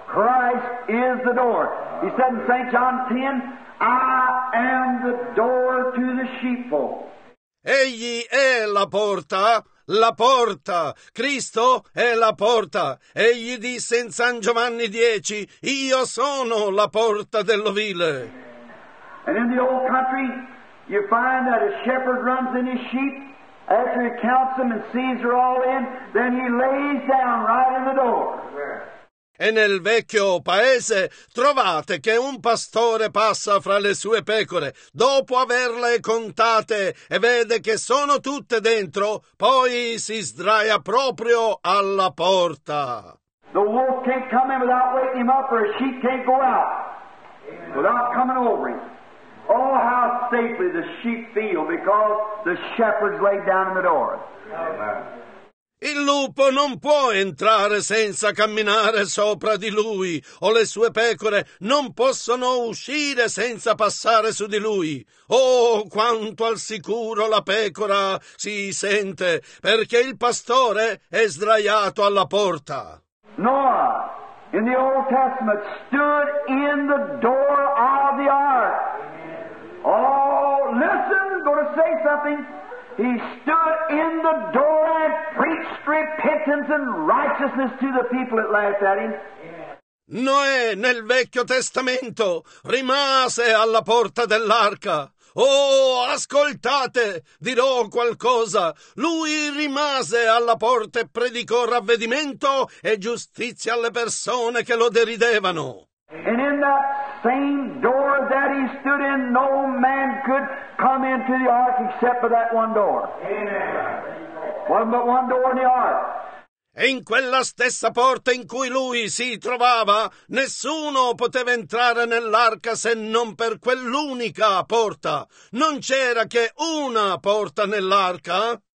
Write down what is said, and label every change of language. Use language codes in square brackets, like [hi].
[en] Christ is the door. He said in St. John 10, I am the door to the sheepfold. [it] Egli è la porta, la porta. Cristo è la porta. Egli disse in San Giovanni 10, io sono la porta dell'ovile. [en] And in the old country, you find that a shepherd runs in his sheep. After he counts them and sees they're all in, then he lays down right in the door. [it] E nel vecchio paese trovate che un pastore passa fra le sue pecore. Dopo averle contate e vede che sono tutte dentro, poi si sdraia proprio alla porta. [en] The wolf can't come in without waking him up, or a sheep can't go out without coming over him. Oh, how safely the sheep feel because the shepherd's laid down in the door. Amen. [it] Il lupo non può entrare senza camminare sopra di lui, o le sue pecore non possono uscire senza passare su di lui. Oh, quanto al sicuro la pecora si sente, perché il pastore è sdraiato alla porta. [en] Noah, in the Old Testament, stood in the door of the ark. Oh, listen, I'm going to say something. He stood in the door and preached repentance and righteousness to the people that laughed at him. [it] Noè, nel Vecchio Testamento, rimase alla porta dell'arca. Oh, ascoltate, dirò qualcosa. Lui rimase alla porta e predicò ravvedimento e giustizia alle persone che lo deridevano. [en] And in that same door that he stood in, no man could come into the ark except for that one door. Amen. One but one door in the ark. [it] E in quella stessa porta in cui lui si trovava, nessuno poteva entrare nell'arca se non per quell'unica porta. Non c'era che una porta nell'arca.